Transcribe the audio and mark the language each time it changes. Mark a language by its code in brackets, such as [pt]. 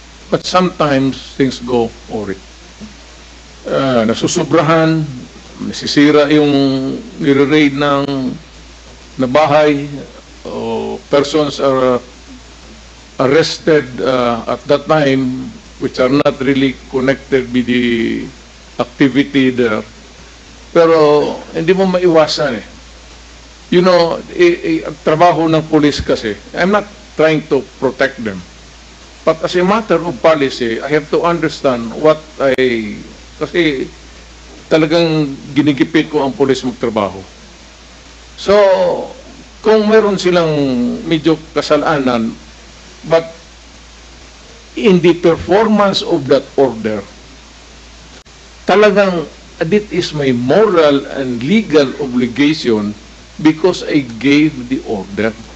[en] But sometimes things go awry. [tl] Nasusubrahan, nasisira yung nire-raid ng na bahay, [en] o persons are arrested at that time, which are not really connected with the activity there. [tl] Pero hindi mo maiwasan eh. [en] You know, [tl] trabaho ng police kasi, [en] I'm not trying to protect them. But as a matter of policy, I have to understand what I... [tl] Kasi talagang ginigipit ko ang police magtrabaho. [en] So, [tl] kung meron silang medyo kasalanan, [en] but in the performance of that order, talagang this is my moral and legal obligation because I gave the order.